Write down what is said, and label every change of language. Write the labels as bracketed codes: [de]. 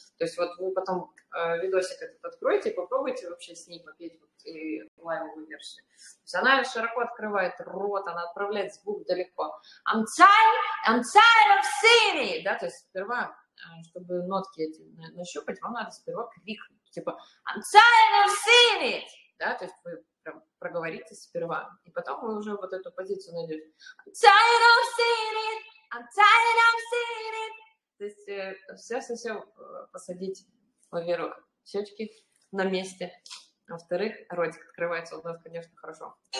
[ru] То есть вот вы потом видосик этот откроете и попробуйте вообще с ней попеть вот и лайвовую версию. То есть она широко открывает рот, она отправляет звук далеко. [en] I'm tired of singing! [ru] Да, то есть сперва, чтобы нотки эти нащупать, вам надо сперва крикнуть. Типа [en] I'm tired of singing! [ru] Да, то есть вы прям проговорите сперва, и потом вы уже вот эту позицию найдете. [en] I'm tired of singing! I'm tired of seeing it. [ru] То есть все посадить, во-первых, щечки на месте, во-вторых, ротик открывается у нас, конечно, хорошо.